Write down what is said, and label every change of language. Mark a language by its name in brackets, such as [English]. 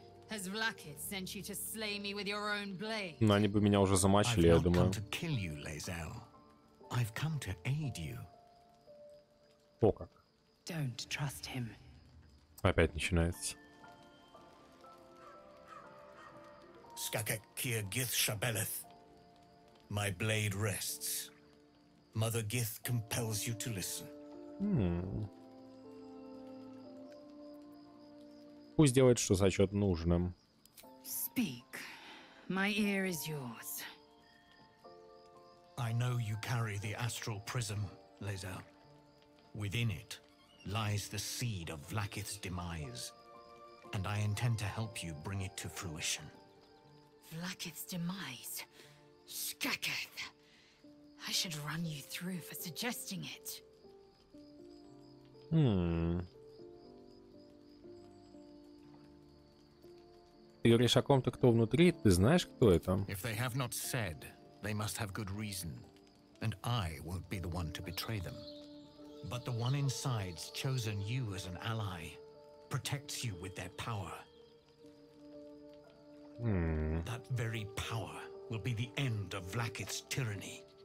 [English] Has Vlakith sent you to slay me with your own blade? [Russian] Ну, они бы меня уже замачили, я думаю. [English] I've come to kill you, Lazel. I've come to aid you. [Russian] О, как. [English] Don't trust him. [Russian] Опять начинается. [English] Skakek Kir Gith Shabeleth. My blade rests. Mother Gith compels you to listen. [Russian] Пусть делает, что сочет нужным. [English] Speak. My ear is yours. I know you carry the astral prism, Lazel. Within it lies the seed of Vlakith's demise, and I intend to help you bring it to fruition. Vlakith's demise? Skakath! I should run you through for suggesting it. [Russian] Ты говоришь о ком-то, кто внутри, ты знаешь, кто это? [English] If they have not said, they must have good reason, and I won't be the one to betray them. But the one inside's chosen you as an ally, protects you with their power. That very power will be the end of Vlakith's tyranny.